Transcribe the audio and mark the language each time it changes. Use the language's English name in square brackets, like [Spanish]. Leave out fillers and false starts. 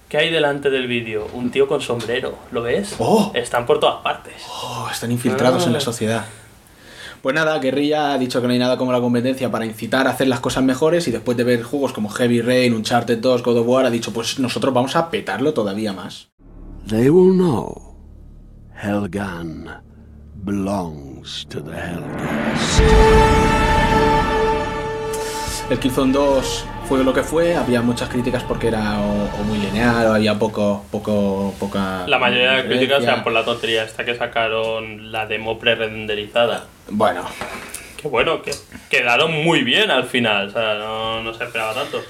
[Spanish] ¿Qué hay delante del vídeo? Un tío con sombrero, ¿lo ves? Oh. Están por todas partes. Oh, están infiltrados en la sociedad. Pues nada, Guerrilla ha dicho que no hay nada como la competencia para incitar a hacer las cosas mejores, y después de ver juegos como Heavy Rain, Uncharted 2, God of War, ha dicho, pues nosotros vamos a petarlo todavía más. [English] They will know Hellgun belongs to the Hellgast. [Spanish] El Killzone 2 fue lo que fue, había muchas críticas porque era o muy lineal, o había poca... La mayoría de las críticas eran por la tontería esta que sacaron, la demo pre-renderizada. Bueno. Qué bueno, que quedaron muy bien al final, o sea, no se esperaba tanto.